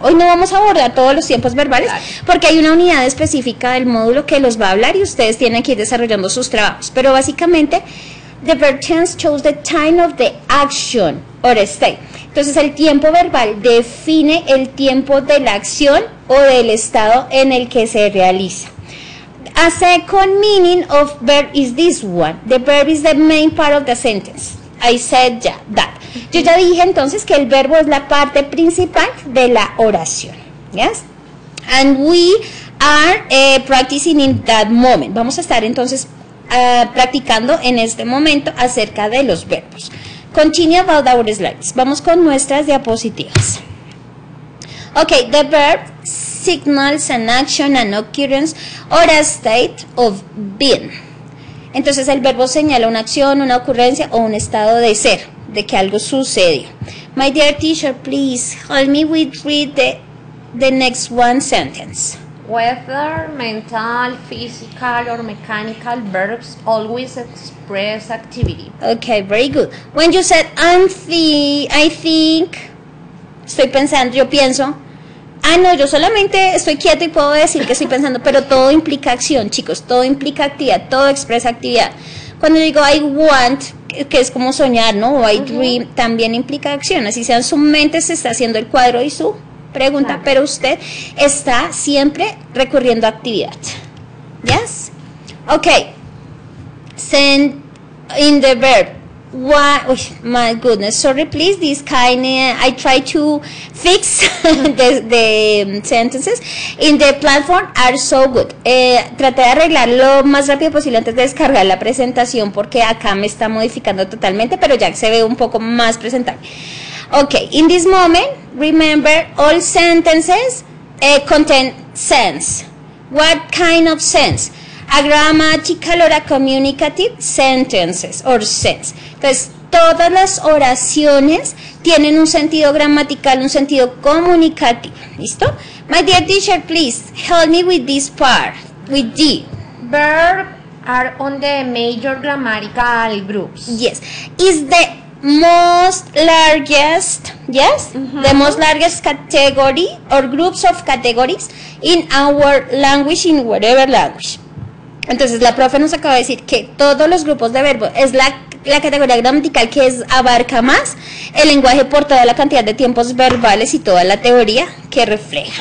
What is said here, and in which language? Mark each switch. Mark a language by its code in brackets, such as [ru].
[es] Hoy no vamos a abordar todos los tiempos verbales porque hay una unidad específica del módulo que los va a hablar y ustedes tienen que ir desarrollando sus trabajos, pero básicamente [en] the verb tense shows the time of the action or state. [es] Entonces el tiempo verbal define el tiempo de la acción o del estado en el que se realiza. [en] A second meaning of verb is this one. The verb is the main part of the sentence. I said yeah, that. [es] Yo ya dije entonces que el verbo es la parte principal de la oración. Yes? [en] And we are practicing in that moment. [es] Vamos a estar entonces practicando en este momento acerca de los verbos. [en] Continue about our slides. [es] Vamos con nuestras diapositivas. [en] Okay, the verb signals an action, an occurrence, or a state of being. [es] Entonces el verbo señala una acción, una ocurrencia o un estado de ser. De que algo sucedió. [en] My dear teacher, please help me with read the next one sentence. Whether mental, physical, or mechanical verbs always express activity. Okay, very good. When you said I think, [es] estoy pensando, yo pienso. Ah, no, yo solamente estoy quieto y puedo decir que estoy pensando, pero todo implica acción, chicos. Todo implica actividad, todo expresa actividad. Cuando digo I want, que es como soñar, ¿no? O I dream, también implica acción. Así sea, en su mente se está haciendo el cuadro y su pregunta, pero usted está siempre recurriendo a actividad. [en] ¿Yes? Ok. Send in the verb. What? Oh, my goodness. Sorry, please. This kind I try to fix the sentences in the platform are so good. [es] Traté de arreglar lo más rápido posible antes de descargar la presentación porque acá me está modificando totalmente, pero ya se ve un poco más presentable. [en] Okay. In this moment, remember all sentences contain sense. What kind of sense? A grammatical or a communicative sentences or sense. [es] Entonces, todas las oraciones tienen un sentido gramatical, un sentido comunicativo. ¿Listo? [en] My dear teacher, please help me with this part, with D. Verb are on the major grammatical groups. Yes. Is the most largest, yes? Mm-hmm. The most largest category or groups of categories in our language, in whatever language. [es] Entonces, la profe nos acaba de decir que todos los grupos de verbos es la categoría gramatical que abarca más el lenguaje por toda la cantidad de tiempos verbales y toda la teoría que refleja.